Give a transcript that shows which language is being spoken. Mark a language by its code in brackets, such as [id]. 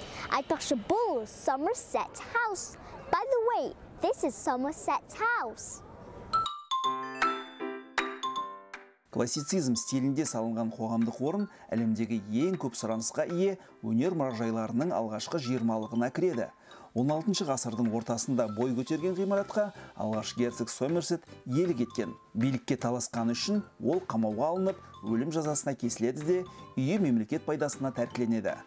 [kk] Айтпақшы, бұл Somerset House. [en] By the way, this is Somerset House. [kk] Классицизм стилінде салынған қоғамдық орын әлемдегі ең көп сұранысқа ие өнер мұражайларының алғашқы 20-лығына кіреді. 16-шы ғасырдың ортасында бой көтерген ғимаратқа алғаш герцог Сомерсет ел кеткен. Билікке таласқаны үшін ол қамауға алынып, өлім жазасына кесіледі де, үйі мемлекет пайдасына тәркіленеді.